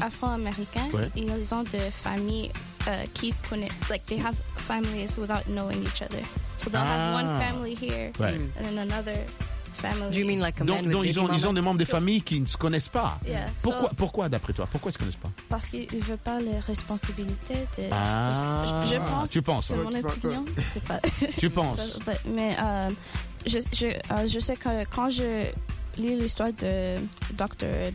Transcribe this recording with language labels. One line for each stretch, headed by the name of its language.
French: Afro-Américains, ils ont des familles qui connaissent.
English: Like, they have families without knowing each other. So they'll have one family here and then another family. Do you mean like a man
French: donc ils ont des membres de famille qui ne se connaissent pas.
English: Yeah.
French: Pourquoi d'après toi? Pourquoi ils ne se connaissent pas? Parce qu'ils ne veulent pas les responsabilités de. Tu penses. C'est mon opinion. Tu penses. Je sais que quand je lis l'histoire de Dr.